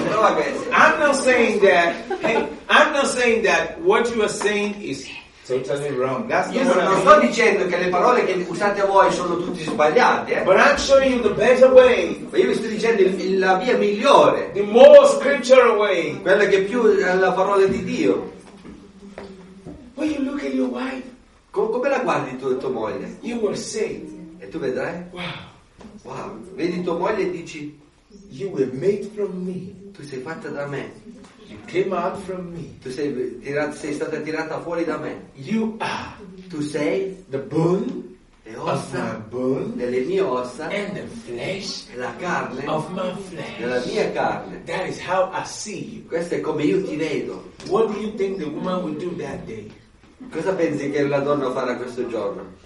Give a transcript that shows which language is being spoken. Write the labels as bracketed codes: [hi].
[en] I'm not saying that what you are saying is totally wrong. [it] Sto dicendo che le parole che usate voi sono tutte sbagliate. [en] But I'm showing you the better way. [it] Ma io vi sto dicendo la via migliore. [en] The more scriptural way. [it] Quella che più è la parola di Dio. [en] When you look at your wife, [it] come la guardi tu e tua moglie? [en] You will say. [it] E tu vedrai. [en] Wow. [it] Vedi tua moglie e dici. [en] You were made from me. [it] Tu sei fatta da me. [en] You came out from me. [it] Tu sei stata tirata fuori da me. [en] You are. [it] Tu sei [en] the bone, [it] le ossa [en] of my bone, [it] delle mie ossa, [en] and the flesh, [it] la carne [en] of my flesh, [it] della mia carne. [en] That is how I see you. [it] Questo è come io ti vedo. [en] What do you think the woman would do that day? [it] Cosa pensi che la donna farà questo giorno?